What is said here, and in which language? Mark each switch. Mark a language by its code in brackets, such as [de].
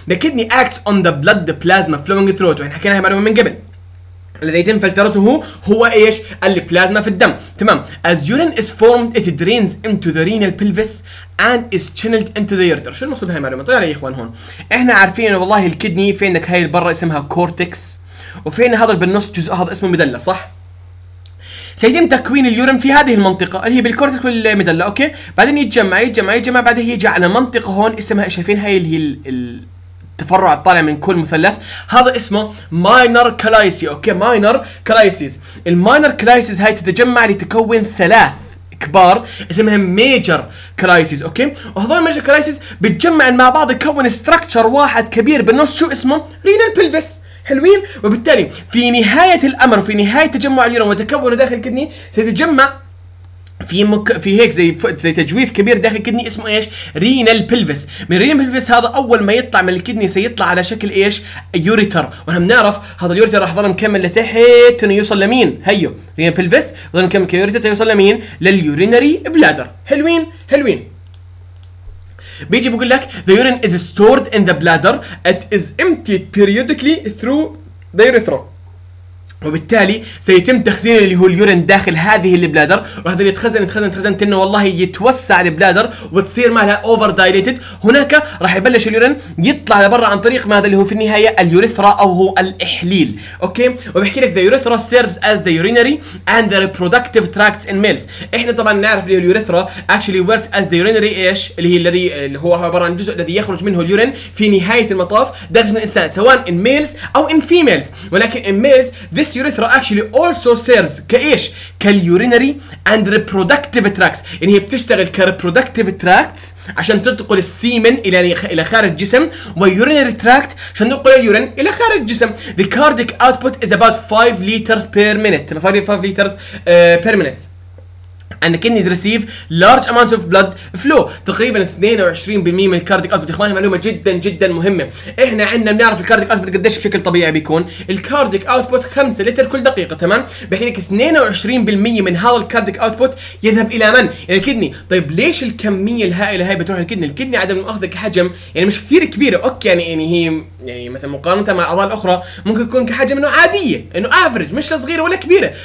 [en] The kidney acts on the blood, the plasma flowing through it. [ar] وحنا حكيناها معلومة من قبل. الذي يتم فلترته هو ايش؟ البلازما في الدم. تمام. [en] As urine is formed, it drains into the renal pelvis and is channeled into the ureter. [ar] شو المقصود بهاي المعلومة؟ طلع علي يا اخوان هون. احنا عارفين انه والله الكدني في عندك هاي البرة اسمها كورتكس، وفي عندنا هذا بالنص جزء هذا اسمه مدلة، صح؟ سيتم تكوين اليورين في هذه المنطقة اللي هي بالكورتكس والميدلا. اوكي، بعدين يتجمع بعدها يجي على منطقة هون اسمها، شايفين هاي اللي هي التفرع الطالع من كل مثلث، هذا اسمه ماينر كلايسي. اوكي، ماينر كلايسيز. الماينر كلايسيز هاي تتجمع لتكون ثلاث كبار اسمهم ميجر كلايسيز. اوكي، وهذول الميجر كلايسيز بتجمع مع بعض يكون ستراكشر واحد كبير بالنص، شو اسمه؟ رينال بلفيس. حلوين. وبالتالي في نهاية الأمر وفي نهاية تجمع اليورين وتكونه داخل الكدني سيتجمع في هيك زي تجويف كبير داخل الكدني اسمه ايش؟ رينال بلفيس. من رينال بلفيس هذا أول ما يطلع من الكدني سيطلع على شكل ايش؟ يوريتر. ونحن بنعرف هذا اليوريتر راح يظل مكمل لتحت انه يوصل لمين؟ هيو رينال بلفيس يظل مكمل كيوريتر تيوصل لمين؟ لليورينري بلادر. حلوين حلوين. بيجي بقول لك [en] the urine is stored in the bladder, it is emptied periodically through the urethra. [ar] وبالتالي سيتم تخزين اللي هو اليورين داخل هذه البلادر، وهذا اللي يتخزن انه والله يتوسع البلادر وتصير مالها اوفر دايليتد. هناك راح يبلش اليورين يطلع لبرا عن طريق ماذا اللي هو في النهايه اليوريثرا او هو الاحليل. [en] okay, [ar] وبحكي لك [en] the urethra serves as the urinary and the reproductive tracts in males. [ar] احنا طبعا نعرف اللي هو اليوريثرا [en] actually works as the urinary [ar] ايش اللي هي الذي اللي هو عباره عن جزء الذي يخرج منه اليورين في نهايه المطاف داخل الانسان سواء [en] in males [ar] او [en] in females. [ar] ولكن [en] in males this urethra actually also serves [ar] كايش كاليورينري [en] and reproductive tracts، [ar] يعني هي بتشتغل كreproductive tracts عشان تنقل السيمن الى خارج الجسم، ويورينري tract عشان تنقل اليورين الى خارج الجسم. [en] The cardiac output is about 5 liters per minute. 5 liters per minute. And the kidneys receive large amounts of blood flow. [ar] تقريبا 22% من الكارديك اوتبوت. اخواني معلومه جدا جدا مهمه. احنا عندنا بنعرف الكارديك اوتبوت قديش بشكل طبيعي بيكون. الكارديك اوتبوت 5 لتر كل دقيقه، تمام؟ بحيث انك 22% من هذا الكارديك اوتبوت يذهب الى من؟ الى الكدني. طيب ليش الكميه الهائله هاي بتروح للكدني؟ الكدني عدم مؤاخذه كحجم يعني مش كثير كبيره، اوكي يعني هي يعني مثلا مقارنه مع الاعضاء الاخرى ممكن يكون كحجم انه عاديه، انه افريج، مش صغيره ولا كبيره.